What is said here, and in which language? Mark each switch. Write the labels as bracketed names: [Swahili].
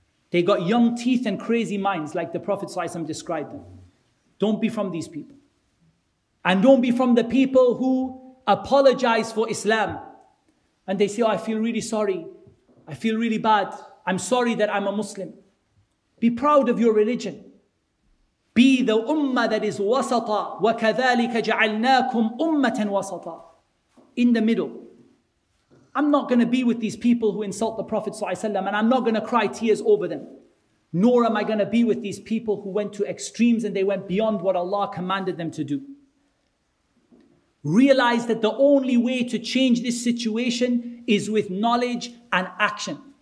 [English] They got young teeth and crazy minds like the Prophet ﷺ described them. Don't be from these people. And don't be from the people who apologize for Islam. And they say, oh, I feel really sorry. I feel really bad. I'm sorry that I'm a Muslim. Be proud of your religion. Be the ummah that is wasata. [Arabic] وَكَذَلِكَ جَعَلْنَاكُمْ أُمَّةً wasata. [English] In the middle. I'm not going to be with these people who insult the Prophet ﷺ, and I'm not going to cry tears over them. Nor am I going to be with these people who went to extremes and they went beyond what Allah commanded them to do. Realize that the only way to change this situation is with knowledge and action.